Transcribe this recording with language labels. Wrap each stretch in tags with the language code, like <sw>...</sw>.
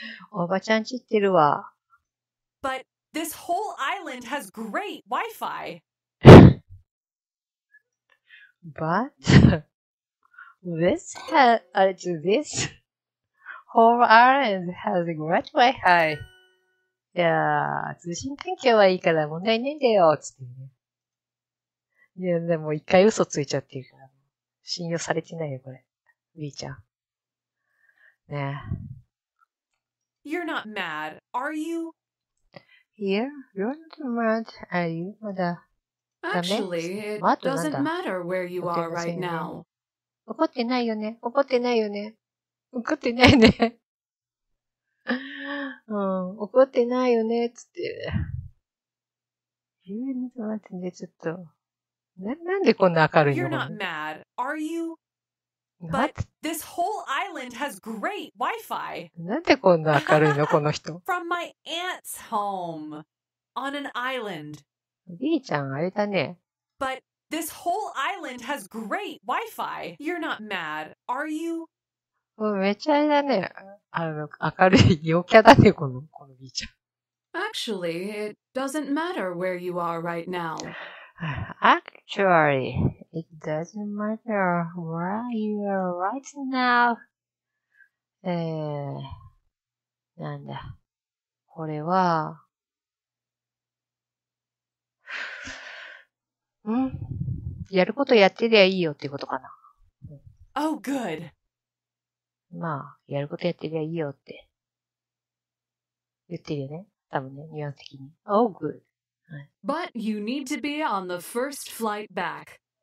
<ja>おばちゃん散ってるわ。</ja> <en>But this whole island has great Wi-Fi. But this whole island has great Wi-Fi.</en> <ja>いやー、通信環境はいいから問題ないんだよ、つってね。いや、でも一回嘘ついちゃってるから。信用されてないよ、これ。 B ちゃん。ねえ。</ja> <en>You're not mad, are you? here? You're not mad, are you? Actually, it doesn't matter where you are right now.</en> <ja>怒ってないよね。怒ってないよね。怒ってないね。うん、怒ってないよね、つって。</ja> <en>You're not mad,</en> <ja>ね、ちょっと。なんでこんな明るいの？</ja> <en>You're not mad, are you? But this whole island has great Wi-Fi.</en> <ja>なんでこんな明るいのこの人。</ja> <en>From my aunt's home on an island.</en> <ja>B ちゃんあれだね。</ja> <en>But this whole island has great Wi-Fi. You're not mad, are you?</en> <ja>もうめっちゃあれだね。明るい陽キャだねこの B ちゃん。</ja> <en>Actually, it doesn't matter where you are right now. Actually, it doesn't matter where you are right now.</en> <ja>なんだ。これは、ん？やることやってりゃいいよってことかな。</ja> <en>Oh, good.</en> <ja>まあ、やることやってりゃいいよって。言ってるよね。多分ね、ニュアンス的に。</ja> <en>Oh, good. But you need to be on the first flight back.</en>